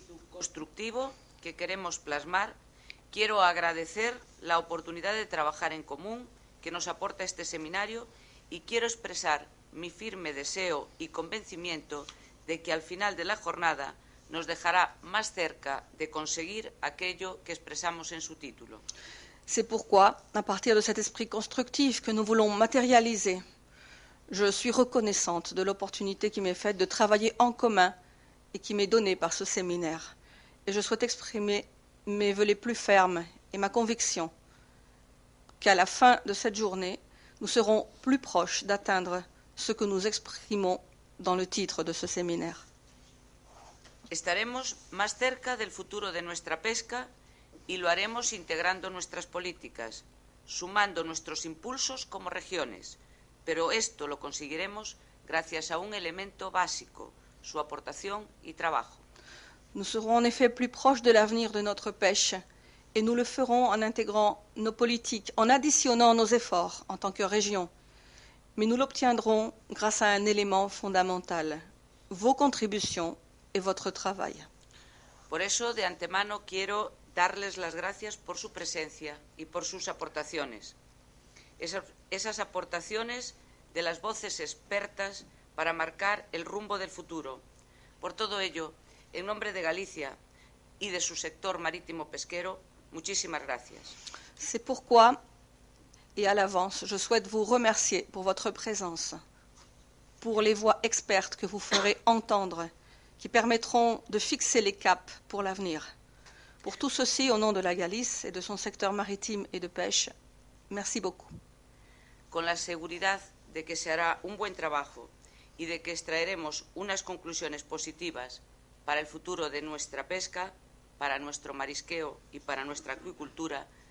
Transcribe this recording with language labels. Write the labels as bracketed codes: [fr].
[es] Constructivo que queremos plasmar, quiero agradecer la oportunidad de trabajar en común que nos aporta este seminario y quiero expresar mi firme deseo y convencimiento de que al final de la jornada nos dejará más cerca de conseguir aquello que expresamos en su título. [fr] C'est pourquoi, à partir de cet esprit constructif que nous voulons matérialiser, je suis reconnaissante de l'opportunité qui m'est faite de travailler en commun et qui m'est donnée par ce séminaire. Et je souhaite exprimer mes vœux les plus fermes et ma conviction qu'à la fin de cette journée, nous serons plus proches d'atteindre ce que nous exprimons dans le titre de ce séminaire. [es] Estaremos más cerca del futuro de nuestra pesca y lo haremos integrando nuestras políticas, sumando nuestros impulsos como regiones. Pero esto lo conseguiremos gracias a un elemento básico, su aportación y trabajo. [fr] Nous serons en effet plus proches de l'avenir de notre pêche et nous le ferons en intégrant nos politiques, en additionnant nos efforts en tant que région. Mais nous l'obtiendrons grâce à un élément fondamental, vos contributions et votre travail. [es] Por eso, de antemano, quiero darles las gracias por su presencia y por sus aportaciones. Esas aportaciones de las voces expertas para marcar el rumbo del futuro. Por todo ello, en nombre de Galicia y de su sector marítimo pesquero, muchísimas gracias. [fr] C'est pourquoi, et à l'avance, je souhaite vous remercier pour votre présence, pour les voix expertes que vous ferez entendre, qui permettront de fixer les caps pour l'avenir. Pour tout ceci, au nom de la Galice et de son secteur maritime et de pêche, merci beaucoup. [es] Con la seguridad de que se hará un buen trabajo y de que extraeremos unas conclusiones positivas para el futuro de nuestra pesca, para nuestro marisqueo y para nuestra acuicultura,